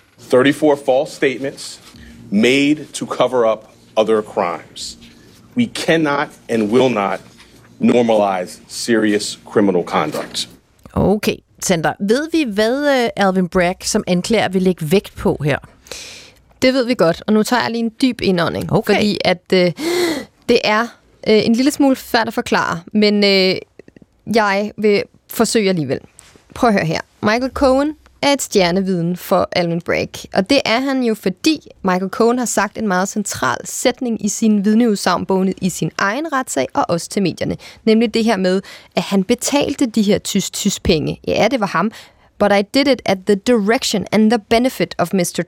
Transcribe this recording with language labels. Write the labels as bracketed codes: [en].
[en] 34 false statements made to cover up other crimes. We cannot and will not normalize serious criminal conduct. [da] Okay, Sander. Ved vi, hvad Alvin Bragg som anklager vil lægge vægt på her? Det ved vi godt, og nu tager jeg lige en dyb indånding, okay. Fordi at det er en lille smule svært at forklare, men jeg vil forsøge alligevel. Prøv at høre her. Michael Cohen er et stjerneviden for Alvin Bragg, og det er han jo, fordi Michael Cohen har sagt en meget central sætning i sin vidneudsagnbog i sin egen retssag og også til medierne. Nemlig det her med, at han betalte de her tys penge. Ja, det var ham. [en] But I did it at the direction and the benefit of Mr.